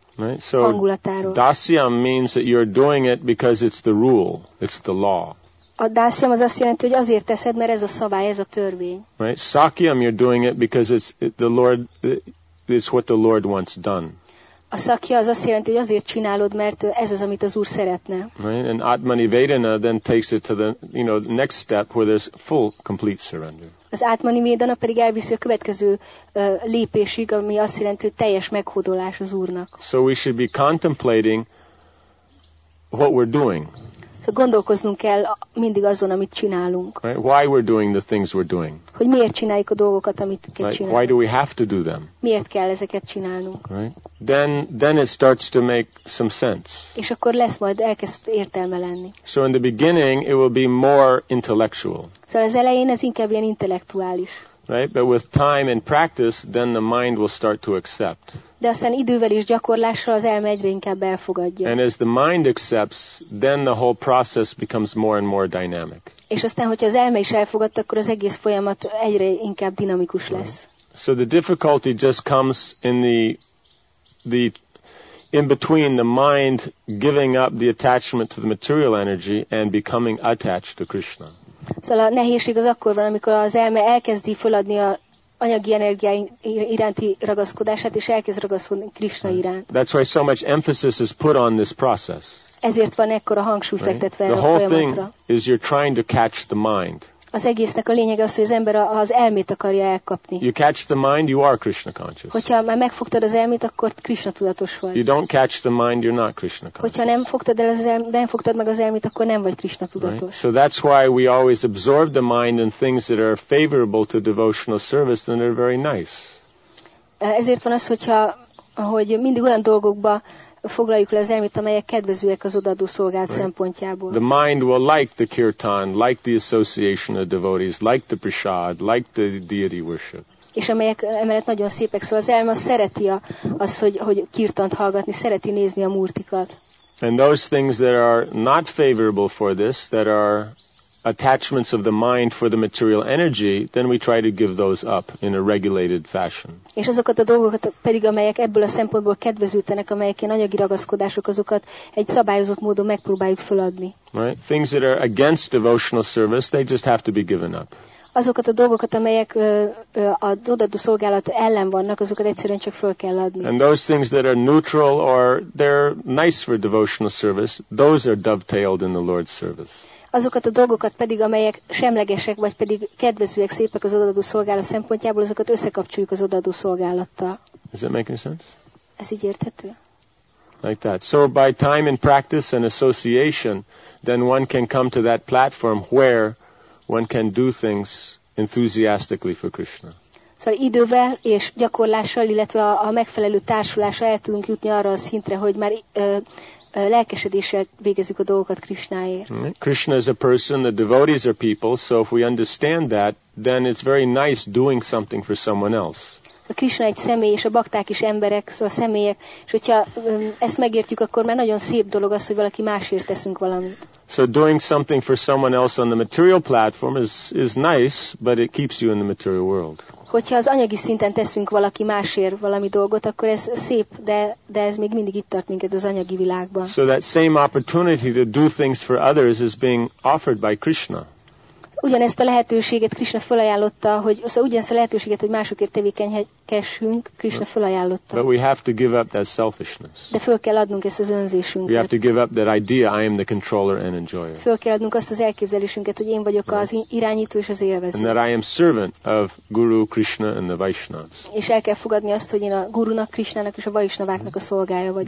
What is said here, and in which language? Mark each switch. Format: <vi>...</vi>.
<en>right? So</en> <hu>hangulatáról.</hu> <en>Dasyam means that you're doing it because it's the rule, it's the law.</en> <hu>A dasyam az azt jelenti, hogy azért teszed, mert ez a szabály, ez a törvény.</hu> <en>Right? Sakyam, you're doing it because it's the Lord, it's what the Lord wants done.</en> <hu>A szakja az azt jelenti, hogy azért csinálod, mert ez az, amit az Úr szeretne.</hu> <en>Right? And Atmanivedana then takes it to the, you know, the next step where there's full, complete surrender.</en> <hu>Az Atmanivedana pedig elviszi a következő lépésig, ami azt jelenti, hogy teljes meghódolás az Úrnak.</hu> <en>So we should be contemplating what we're doing.</en> <hu>Szóval gondolkoznunk kell mindig azon, amit csinálunk.</hu> <en>Right? Why we're doing the things we're doing.</en> <hu>Hogy miért csináljuk a dolgokat, amit kell</hu> <en>like,</en> <hu>csinálni.</hu> <en>Why do we have to do them?</en> <hu>Miért kell ezeket csinálnunk.</hu> <en>Right? Then it starts to make some sense.</en> <hu>És akkor lesz majd, elkezd értelme lenni.</hu> <en>So in the beginning it will be more intellectual.</en> <hu>Szóval az elején ez inkább ilyen intellektuális.</hu> <en>Right? But with time and practice, then the mind will start to accept.</en> <hu>De aztán idővel és gyakorlással az elme egyre inkább elfogadja.</hu> <en>And as the mind accepts, then the whole process becomes more and more dynamic.</en> <hu>És aztán, hogyha az elme is elfogadta, akkor az egész folyamat egyre inkább dinamikus lesz.</hu> <en>So the difficulty just comes in the in between the mind giving up the attachment to the material energy and becoming attached to Krishna.</en> <hu>Szóval a nehézség az akkor van, amikor az elme elkezdi feladni a anyagi energia iránti ragaszkodását, és elkezd ragaszkodni Krishna iránt.</hu> <en>That's why so much emphasis is put on this process.</en> <hu>Ezért van ekkora hangsúly fektetve erre a folyamatra.</hu> <en>The whole thing is you're trying to catch the mind.</en> <hu>Az egésznek a lényege az, hogy az ember az elmét akarja elkapni.</hu> <en>You catch the mind, you are Krishna conscious.</en> <hu>Hogyha már megfogtad az elmét, akkor Krishna tudatos vagy.</hu> <en>You don't catch the mind, you're not Krishna conscious.</en> <hu>Hogyha nem fogtad el az elmét, nem fogtad meg az elmét, akkor nem vagy Krishna tudatos.</hu> <en>Right? So that's why we always absorb the mind in things that are favorable to devotional service, and they're very nice.</en> <hu>Ezért van az, hogy mindig olyan dolgokba foglaljuk le az elmét, amelyek kedvezőek az odaadó szolgált right. szempontjából.</hu> <en>The mind will like the kirtan, like the association of devotees, like the prasad, like the deity worship.</en> <hu>És amelyek emellett nagyon szépek, szóval az elme szereti az, hogy kirtant hallgatni, szereti nézni a murtikat.</hu> <en>And those things that are not favorable for this, that are attachments of the mind for the material energy, then we try to give those up in a regulated fashion.</en> <hu>És azokat a dolgokat pedig, amelyek ebből a szempontból kedvezőtlenek, amelyek ilyen anyagi ragaszkodások, azokat egy szabályozott módon megpróbáljuk feladni.</hu> <en>Right? Things that are against devotional service, they just have to be given up.</en> <hu>Azokat a dolgokat, amelyek a odaadó szolgálat ellen vannak, azokat egyszerűen csak föl kell adni.</hu> <en>And those things that are neutral or they're nice for devotional service, those are dovetailed in the Lord's service.</en> <hu>Azokat a dolgokat pedig, amelyek semlegesek, vagy pedig kedvezőek, szépek az odaadó szolgálat szempontjából, azokat összekapcsoljuk az odaadó szolgálattal.</hu> <en>Is that making sense?</en> <hu>Ez így érthető?</hu> <en>Like that. So by time and practice and association, then one can come to that platform where one can do things enthusiastically for Krishna.</en> <hu>Szóval idővel és gyakorlással, illetve a megfelelő társulással el tudunk jutni arra a szintre, hogy már lelkesedéssel végezzük a dolgokat Krishnáért. Mm-hmm.</hu> <en>Krishna is a person, the devotees are people, so if we understand that, then it's very nice doing something for someone else.</en> <hu>A Krishna egy személy, és a bakták is emberek, szóval személyek, és hogyha ezt megértjük, akkor már nagyon szép dolog az, hogy valaki másért teszünk valamit.</hu> <en>So doing something for someone else on the material platform is nice, but it keeps you in the material world.</en> <hu>Hogyha az anyagi szinten teszünk valaki másért valami dolgot, akkor ez szép, de ez még mindig itt tart minket az anyagi világban.</hu> <en>So that same opportunity to do things for others is being offered by Krishna.</en> <hu>Ugyanezt a lehetőséget Krishna felajánlotta, hogy másokért tevékenykessünk, Krishna felajánlotta.</hu> <en>But we have to give up that selfishness.</en> <hu>De föl kell adnunk ezt az önzésünket.</hu> <en>We have to give up that idea, I am the controller and enjoyer.</en> <hu>Föl kell adnunk azt az elképzelésünket, hogy én vagyok az irányító és az élvező.</hu> <en>And that I am servant of Guru, Krishna and the Vaishnavas.</en> <hu>És el kell fogadni azt, hogy én a gurunak, Krishnának és a Vaishnavaknak a szolgája vagyok.</hu>